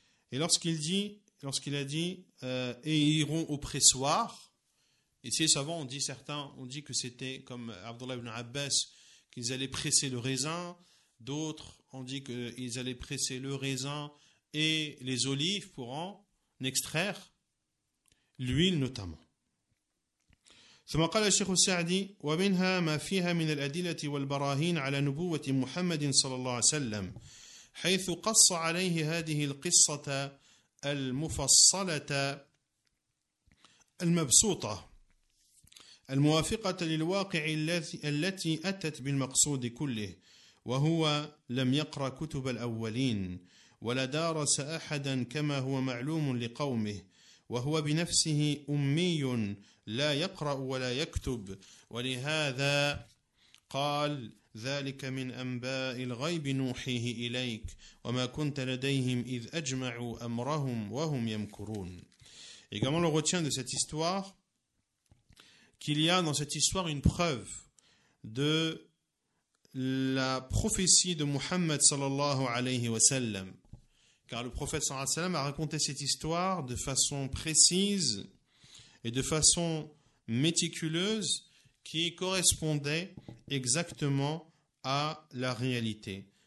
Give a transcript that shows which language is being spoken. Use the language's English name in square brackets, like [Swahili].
[French] Et lorsqu'il a dit, et iront au pressoir, ici souvent on dit que c'était comme Abdullah ibn Abbas qu'ils allaient presser le raisin, d'autres on dit qu'ils allaient presser le raisin et les olives pour en extraire l'huile notamment. [Arabic] ثم قال الشيخ السعدي ومنها ما فيها من الأدلة والبراهين على نبوة محمد صلى الله عليه وسلم حيث قص عليه هذه القصة المفصلة المبسوطة الموافقة للواقع التي أتت بالمقصود كله وهو لم يقرأ كتب الأولين ولا دارس أحدا كما هو معلوم لقومه وهو بنفسه أمي لا يقرأ ولا يكتب ولهذا قال ذلك من أنباء الغيب نوحيه إليك وما كنت لديهم إذ أجمعوا أمرهم وهم يمكرون. [French] Également, on retient de cette histoire qu'il y a dans cette histoire une preuve de la prophétie de Muhammad sallallahu alayhi wa sallam. Car le prophète sallallahu alayhi wa sallam a raconté cette histoire de façon précise et de façon méticuleuse qui correspondait exactement à la réalité.